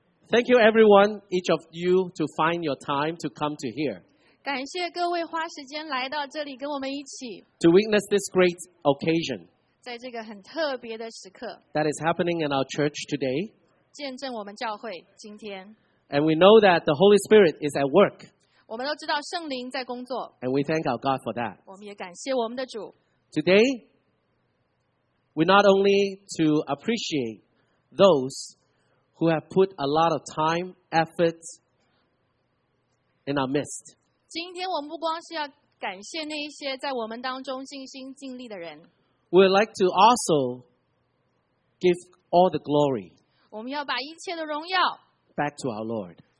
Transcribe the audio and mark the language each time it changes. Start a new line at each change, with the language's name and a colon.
English: Thank you everyone, each of you, to find your time to come to here.
Chinese: 感谢各位花时间来到这里跟我们一起。
English: To witness this great occasion.
Chinese: 在这个很特别的时刻
English: That is happening in our church today.
Chinese: 见证我们教会今天
English: And we know that the Holy Spirit is at work.
Chinese: 我们都知道圣灵在工作
English: And we thank our God for that.
Chinese: 我们也感谢我们的主
English: Today, we not only to appreciate those who have put a lot of time, effort in our midst.
Chinese: 今天我们不光是要感谢那一些在我们当中尽心尽力的人
English: We would like to also give all the glory back to our Lord.